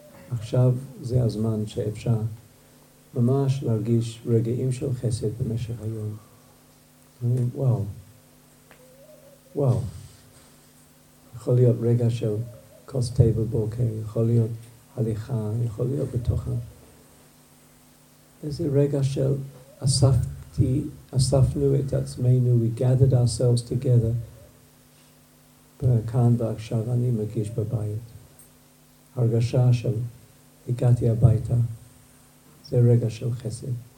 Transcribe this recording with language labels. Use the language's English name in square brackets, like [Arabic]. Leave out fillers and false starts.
[Hebrew] עכשיו זה הזמן שאפשר ממש להרגיש רגעים של חסד במשך היום. וואו, וואו. יכול להיות רגע של כוס תה בבוקר, יכול להיות הליכה, יכול להיות בתוך ה... איזה רגע של אספת. אספנו את עצמנו, [English] we gathered ourselves together. [Hebrew] וכאן ועכשיו אני מרגיש בבית. הרגשה של הגעתי הביתה, זה רגע של חסד.